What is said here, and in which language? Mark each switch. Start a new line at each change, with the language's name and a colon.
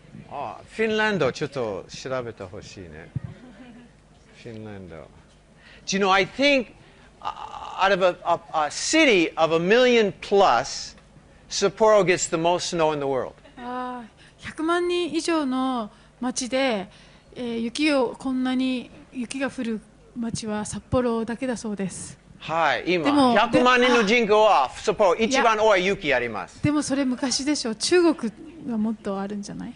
Japanese: ああ、フィンランドちょっと調べてほしいね。フィンランド。
English: Do you know, I think out of a city of a million plus, Sapporo gets the most snow in the world.
Japanese: 100万人以上の町で、雪をこんなに雪が降る町は札幌だけだそうです。はい、今100万人の人口は札幌一番多い雪あります。でもそれ昔でしょう。中国がもっとあるんじゃない？